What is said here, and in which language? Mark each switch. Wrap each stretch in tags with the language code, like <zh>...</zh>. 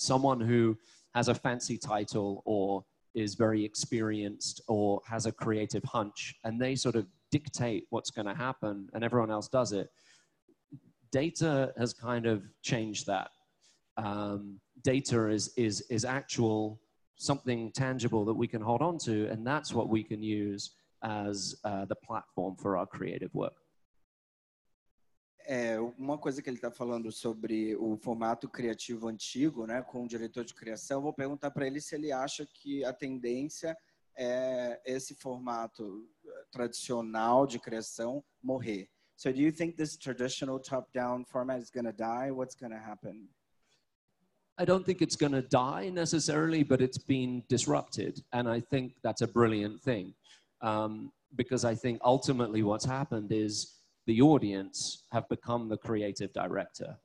<en>Someone who has a fancy title or is very experienced or has a creative hunch, and they sort of dictate what's going to happen and everyone else does it. Data has kind of changed that. Data is actual, something tangible that we can hold on to, and that's what we can use as the platform for our creative work.</en> <pt>Uma coisa que ele está falando sobre o formato criativo antigo, né, com o diretor de criação, vou perguntar para ele se ele acha que a tendência é esse formato tradicional de criação morrer.</pt> <en>So do you think this traditional top-down format is going to die? What's going to happen? I don't think it's going to die necessarily, but it's been disrupted. And I think that's a brilliant thing. Because I think ultimately what's happened is the audience have become the creative director.</en>